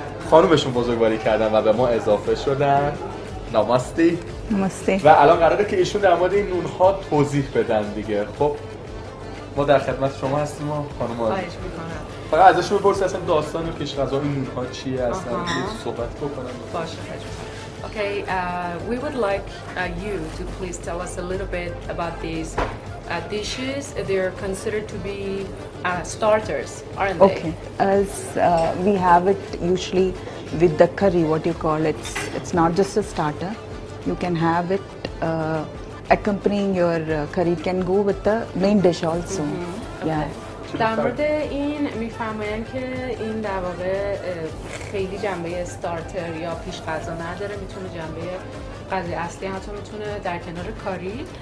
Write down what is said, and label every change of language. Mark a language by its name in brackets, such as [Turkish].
[Persian] خانومشون بزرگواری کردن و به ما اضافه شدن. نماستی. نماستی. و الان قراره که ایشون در مورد این نون‌ها توضیح بدن دیگه. خب ما در خدمت شما هستیم خانم آقای. خواهش می‌کنم. فقط ازشون بپرسید اصلا داستان و پیش غذا این نون‌ها چیه اصلا که صحبت بکنم. باشه. [English] Okay, we would like you to please tell us a little bit about these dishes. They are considered to be starters, aren't they? Okay. As we have it usually with the curry, what you call it, it's not just a starter. You can have it accompanying your curry, can go with the main dish also. Mm-hmm. Okay. Yeah. [Persian] در مورد این میفرمایند که این در واقع خیلی جنبه استارتر یا پیش غذا نداره، میتونه جنبه غذای اصلی هم تو میتونه در کنار کاری